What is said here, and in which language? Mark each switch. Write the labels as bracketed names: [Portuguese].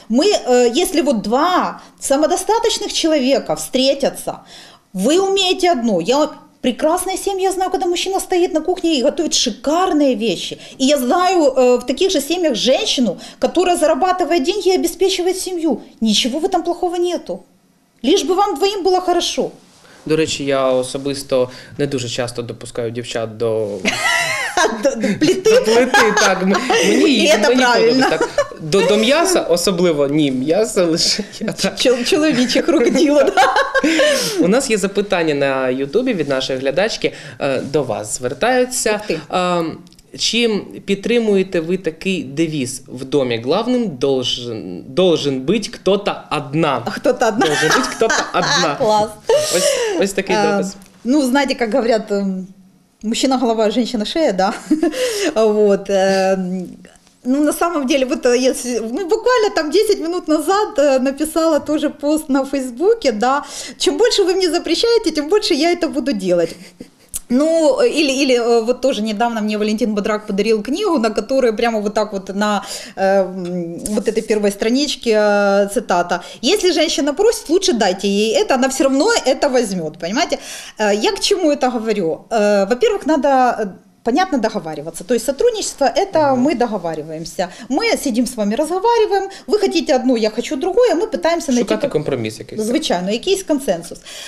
[Russian] Мы, если вот два самодостаточных человека встретятся, вы умеете одно. Я... Прекрасная семья, я знаю, когда мужчина стоит на кухне и готовит шикарные вещи. И я знаю в таких же семьях женщину, которая зарабатывает деньги и обеспечивает семью. Ничего в этом плохого нету. Лишь бы вам двоим было хорошо. [Ukrainian] До речі, я особисто не дуже часто допускаю дівчат до плити. Плити, так. Мені і це правильно. до м'яса особливо, ні, м'яса лише я так. Чоловічих рук діло. У нас є запитання на Ютубі від нашої глядачки, до вас звертаються. Чим підтримуєте ви такий девіз? В домі главним должен бути хто-то одна. Хто-то одна. Должен бути хто-то одна. Клас. Ось такий допис. Ну, знаєте, як говорять, мужчина голова, жінка шея, да? [Russian] Вот. Ну, на самом деле, вот если мы буквально там 10 минут назад написала тоже пост на Фейсбуке, да, чем больше вы мне запрещаете, тем больше я это буду делать. Ну, или вот тоже недавно мне Валентин Бодрак подарил книгу, на которой прямо вот так вот на вот этой первой страничке цитата. Если женщина просит, лучше дайте ей это, она все равно это возьмет, понимаете? Я к чему это говорю? Во-первых, надо... Понятно, договариваться. То есть сотрудничество – это мы договариваемся. Мы сидим с вами, разговариваем. Вы хотите одно, я хочу другое. Мы пытаемся [Ukrainian] шукати [Russian] найти… [Ukrainian] Шукати компроміс якийсь. Звичайно, якийсь консенсус.